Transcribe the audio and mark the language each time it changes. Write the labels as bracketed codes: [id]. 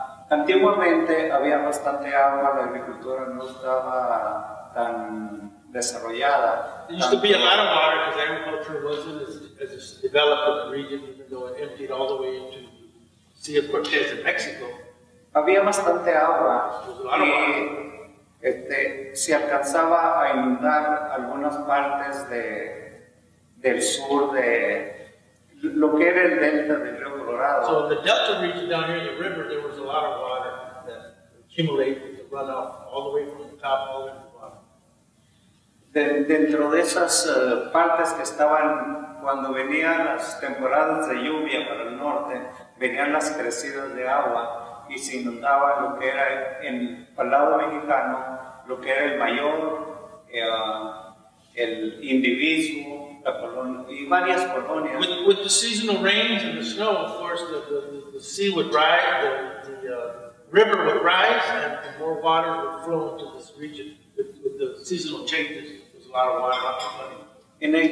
[es] Antiguamente había bastante agua, la agricultura no estaba tan desarrollada. [en] There used to be a lot of water because agriculture wasn't as developed in the region, even though it emptied all the way into Sea of Cortez in Mexico. [es] Había bastante agua y se alcanzaba a inundar algunas partes del sur de lo que era el delta del río Colorado. [en] So in the delta region down here in the river, there was a lot of water that accumulated, the runoff all the way from the top all the way to the bottom. [es] Dentro de esas partes que estaban cuando venían las temporadas de lluvia para el norte, venían las crecidas de agua y se inundaba lo que era, en el lado mexicano, lo que era el mayor, el individuo, la colonia, y varias colonias. [en] With the seasonal rains and the snow, of course, the sea would rise, the river would rise, and the more water would flow into this region. With the seasonal changes, there's a lot of water out there.